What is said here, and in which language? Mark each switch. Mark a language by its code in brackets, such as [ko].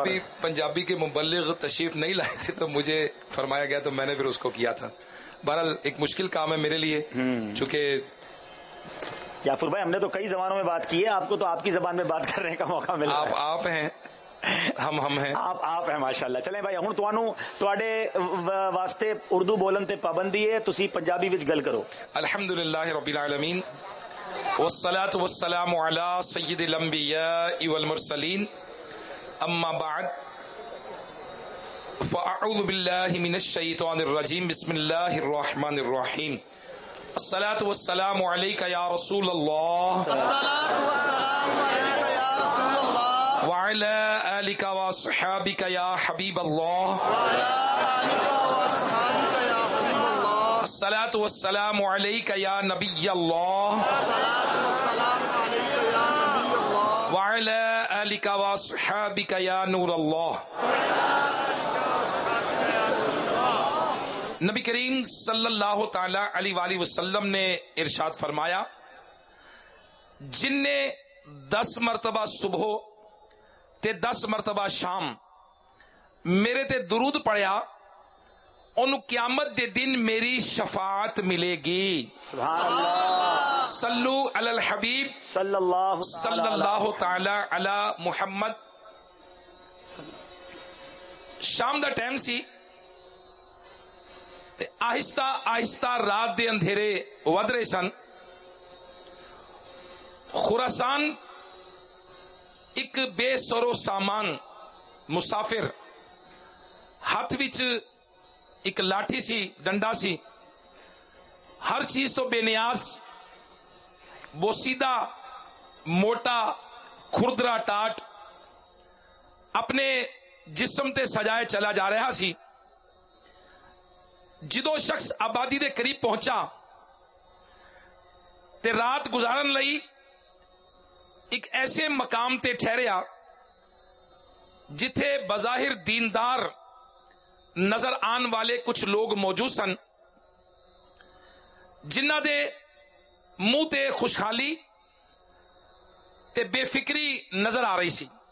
[ur] ابھی پنجابی کے مبلغ تشریف نہیں لائے تھے تو مجھے فرمایا گیا تو میں نے پھر اس کو کیا تھا. بہرحال ایک مشکل کام ہے میرے لیے چونکہ یافور بھائی ہم نے تو کئی زبانوں میں بات کی ہے, آپ کو تو آپ کی زبان میں بات کرنے کا موقع ملا. آپ ہیں ہم ہیں آپ ہیں ماشاء اللہ. [pa] چلیں بھائی ہوں تھوڑے واسطے اردو بولن تے پابندی ہے, تسی پنجابی وچ گل کرو. [ar] الحمد للہ رب العالمین والصلاة والسلام على سید الانبیاء والمرسلین اما بعد فاعوذ باللہ من الشیطان الرجیم بسم اللہ الرحمن الرحیم. الصلاة والسلام علیک یا رسول اللہ وعلى آلک واصحابک یا حبیب اللہ. الصلاة والسلام عليك يا نبي الله وعلى آلك وصحابك يا نور الله. [pa] نبی کریم صلی اللہ تعالی علی وآلہ وسلم نے ارشاد فرمایا جن نے 10 مرتبہ صبح تے 10 مرتبہ شام میرے تے درود پڑھیا ان قیامت دے دن میری شفاعت ملے گی. [ar] سبحان اللہ. صلو علی الحبیب صلی اللہ تعالی علی محمد. [pa] شام دا ٹائم سی تے آہستہ آہستہ رات دے اندھیرے ود رہے سن. خراسان ایک بے سرو سامان مسافر ہاتھ وچ ایک لاٹھی سی ڈنڈا سی ہر چیز تو بے نیاز بوسیدہ موٹا کھردرا ٹاٹ اپنے جسم تے سجائے چلا جا رہا سی. جدو شخص آبادی دے قریب پہنچا تے رات گزارن لئی ایک ایسے مقام تے ٹھہریا جتھے بظاہر دیندار نظر آن والے کچھ لوگ موجود سن جنہ دے منہ تے خوشحالی تے بے فکری نظر آ رہی سی.